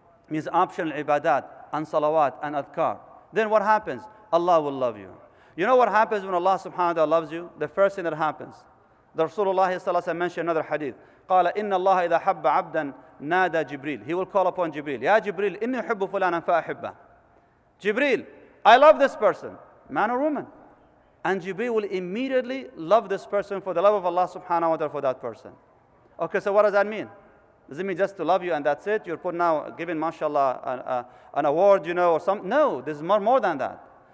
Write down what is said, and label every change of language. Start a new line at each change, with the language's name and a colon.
English: Means optional ibadat, and salawat, and adhkar. Then what happens? Allah will love you. You know what happens when Allah subhanahu wa ta'ala loves you? The first thing that happens, the Rasulullah ﷺ mentioned another hadith.
Arabic: قَالَ إِنَّ اللَّهَ إِذَا حَبَّ عَبْدًا نَادَى جِبْرِيلِ.
English: He will call upon Jibreel.
Arabic: Ya Jibreel, إِنِّي حُبُّ فُلَانًا فَأَحِبَّهُ.
English: Jibreel, I love this person, man or woman. And Jibreel will immediately love this person for the love of Allah subhanahu wa ta'ala for that person. Okay, so what does that mean? Does it mean just to love you and that's it? You're put now giving, mashallah, an award, you know, or something? No, this is more than that.